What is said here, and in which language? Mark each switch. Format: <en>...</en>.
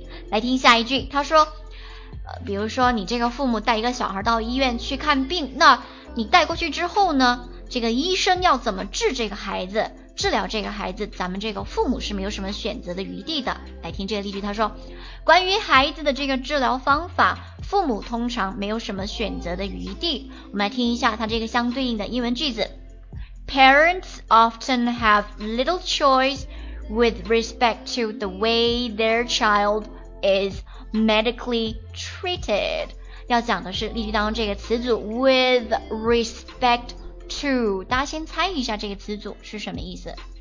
<zh>来听下一句，他说比如说你这个父母带一个小孩到医院去看病，那你带过去之后呢，这个医生要怎么治这个孩子，治疗这个孩子，咱们这个父母是没有什么选择的余地的。来听这个例句，他说关于孩子的这个治疗方法，父母通常没有什么选择的余地。我们来听一下他这个相对应的英文句子。</zh> <en>Parents often have little choice with respect to the way their childis medically treated.</en> <zh>要讲的是例句当中这个词组</zh> <en>with respect to.</en> <zh>大家先猜一下这个词组是什么意思。</zh>